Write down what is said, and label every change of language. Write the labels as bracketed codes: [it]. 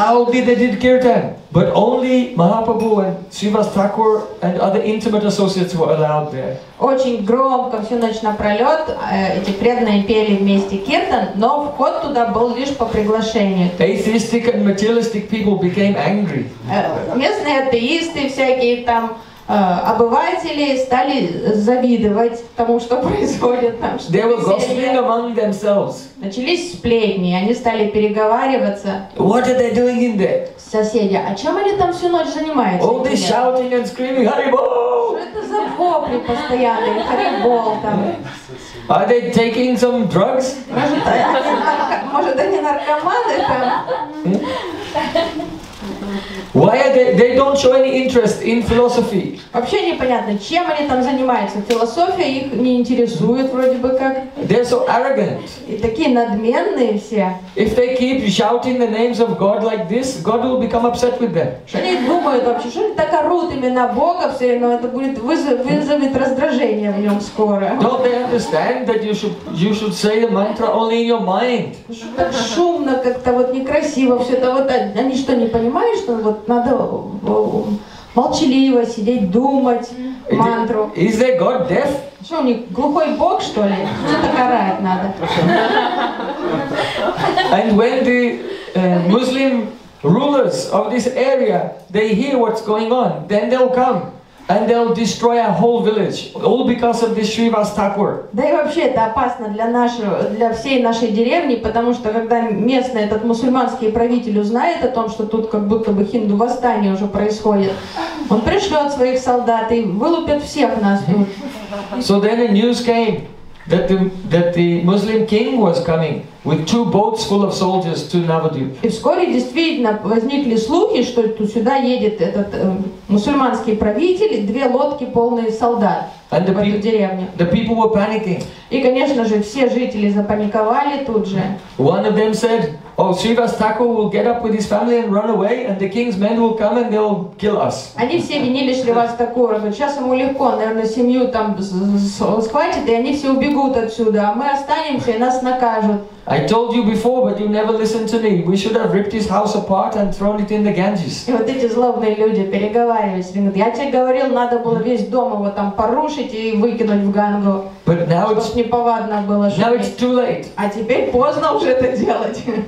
[en] They did kirtan, but only Mahaprabhu and Shrivas Thakur and other intimate associates were allowed there. [ru] Очень громко всю ночь напролет эти преданные пели вместе киртан, но вход туда был лишь по приглашению. [en] Atheistic and materialistic people became angry. [ru] Местные атеисты всякие там обыватели стали завидовать тому, что происходит там. [en] They were gossiping among themselves. [ru] Начались сплетни, они стали переговариваться. [en] What are they doing in there? [ru] Соседи, а чем они там всю ночь занимаются? [en] All this shouting and screaming, Haribol! [ru] Что это за вопли постоянные, Haribol там? [en] Are they taking some drugs? [ru] Может, они наркоманы там? [en] Why are they don't show any interest in philosophy? [ru] Вообще непонятно, чем они там занимаются. Философия их не интересует вроде бы как. [en] They're so arrogant. [ru] И такие надменные все. [en] If they keep shouting the names of God like this, God will become upset with them. [ru] Они думают вообще, что они так орут имена Бога все, но это будет вызовет раздражение в нем скоро. [en] Don't they understand that you should say the mantra only in your mind? [ru] Так шумно как-то вот некрасиво все это вот они что не понимают, что вот надо молчаливо сидеть, думать мантру. [en] Is there God deaf? [ru] Что, у них глухой бог, что ли? Что-то карать надо. [en] And when the Muslim rulers of this area, they hear what's going on, then they'll come. And they'll destroy a whole village, all because of this Shrivas Thakur. [ru] Да и вообще это опасно для всей нашей деревни, потому что когда местный этот мусульманский правитель узнает о том, что тут как будто бы хинду восстание уже происходит, он пришлет своих солдат и вылупит всех нас тут. [en] So then the news came that the Muslim king was coming with two boats full of soldiers to Navadvip. [ru] И вскоре действительно возникли слухи, что сюда едет этот мусульманский правитель, две лодки полные солдат в эту деревню. [en] The people were panicking. [ru] И, конечно же, все жители запаниковали тут же. [en] One of them said, "Oh, Shrivas Thakur will get up with his family and run away, and the king's men will come and they'll kill us." [ru] Они все винили Шривас Такура, что сейчас ему легко, наверное, семью там схватит, и они все убегут отсюда, а мы останемся, и нас накажут. [en] I told you before, but you never listened to me. We should have ripped his house apart and thrown it in the Ganges. [ru] И вот эти злобные люди переговаривались. Они говорят, я тебе говорил, надо было весь дом его там порушить и выкинуть в Гангу. [en] But now [ru] чтобы [en] it's [ru] неповадно было. [en] Now [ru] шуметь. [en] It's too late. [ru] А теперь поздно уже это делать.